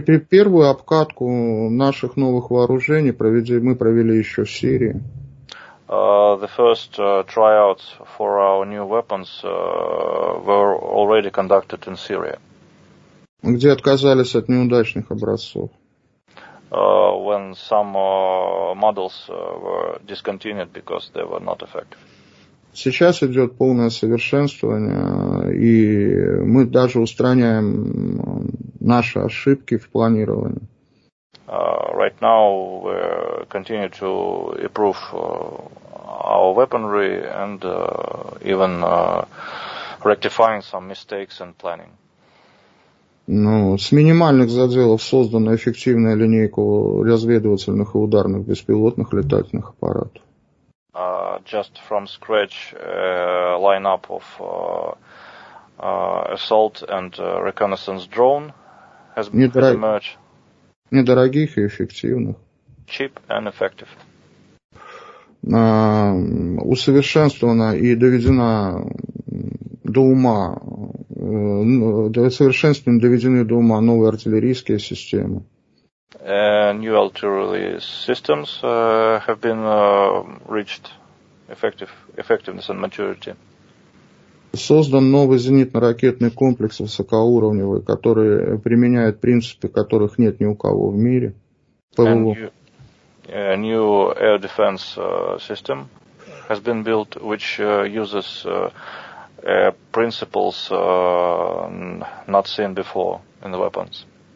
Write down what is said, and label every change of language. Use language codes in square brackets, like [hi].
[ru] Первую обкатку наших новых вооружений мы провели еще в Сирии. [en] The first tryouts for our new weapons were already conducted in Syria. [ru] Где отказались от неудачных образцов. [en] when some models were discontinued because they were not effective. [ru] Сейчас идет полное совершенствование, и мы даже устраняем наши ошибки в планировании. [en] Right now we continue to improve our weaponry and even rectifying some mistakes in planning. [ru] Ну, с минимальных заделов создана эффективная линейка разведывательных и ударных беспилотных летательных аппаратов. [en] Just from scratch, lineup of assault and reconnaissance drone has been emerged. [ru] Недорогих и эффективных. [en] Cheap and effective. [ru] Усовершенствована и доведена до ума. Усовершенствованы и доведены до ума новые артиллерийские системы. [en] New artillery systems have been reached effectiveness and maturity. [ru] Создан новый зенитно-ракетный комплекс высокоуровневый, который применяет принципы, которых нет ни у кого в мире. ПВО. [en] New air defense system has been built, which uses principles not seen before in the weapons.